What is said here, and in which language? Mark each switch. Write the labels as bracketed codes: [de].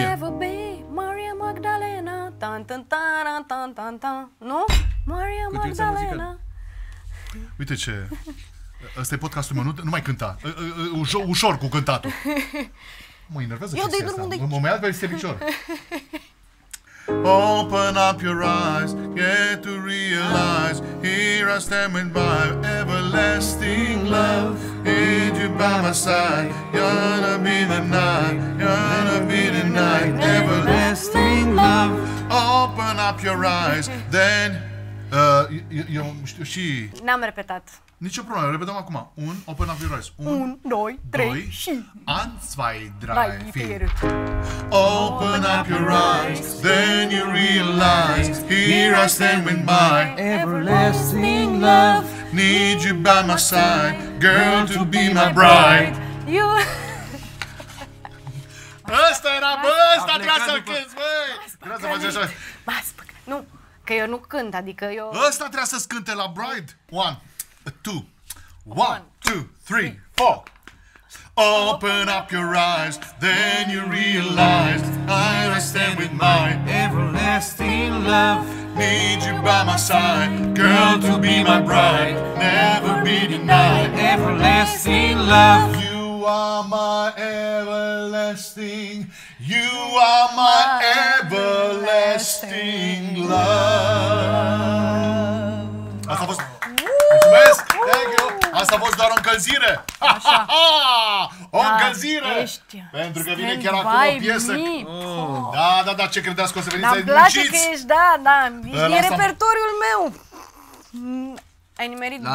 [en] I'll never be Maria Magdalena, tan, tan, tan, tan, tan, tan, tan. [ro] Nu? Maria Magdalena. Uite ce... Ăsta-i podcastul meu, nu mai cânta. Ușor cu cântatul. Mă enervează chestia asta. Mă ia pe servicior. [en] Open up your eyes, get to realize, here I stand with my everlasting love. Need you by my side, gonna be the night, gonna be the night, everlasting love. Open up your eyes, then... [ro] Eu știu și... N-am repetat. Nicio problemă, repetăm acum. Un, [en] open up your eyes. [ro] Un, doi, trei, și... [de] An, zwei, drei, vier. [en] Open up your eyes, then you realize, here I stand with my everlasting love. Need you by my side, girl to be my bride. You... [ro] Ăsta era, bă, ăsta trebuia să-l cânti, băi! Nu, că eu nu cânt, adică eu... Ăsta trebuia să-ți cânte la bride. [en] One, two. One, two, three, four. Open up your eyes, then you realize I stand with my everlasting love. Need you by my side, girl to be my bride. Never be denied, everlasting love. You are my everlasting, you are my everlasting love. Thank you. [ro] Asta a fost doar o încălzire. Așa. O încălzire. Pentru că vine chiar acum o piesă. Da, ce credeați că o să veniți aici? Da, place că ești, da. E repertoriul meu. Ai nimerit două.